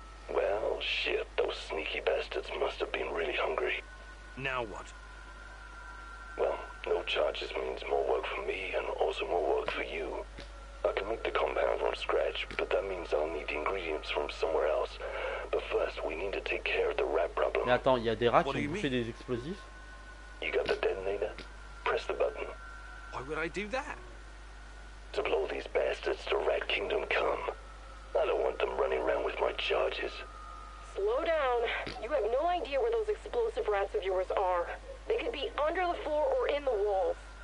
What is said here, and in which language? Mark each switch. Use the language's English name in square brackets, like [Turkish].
[English] Well, shit, those sneaky bastards must have been really hungry. Now what? Well, no charges means more work for me and also more work for you. I can make the compound from scratch, but that means I'll need the ingredients from somewhere else. But first, we need to take care of the rat problem. [French] Mais attends, il y a des rats qui ont bouffé des explosifs? [English] You got the detonator? Press the button. Why would I do that? To blow these bastards to Rat Kingdom come. I don't want them running around with my charges. Slow down. You have no idea where those explosive rats of yours are. They could be under the floor or in the walls.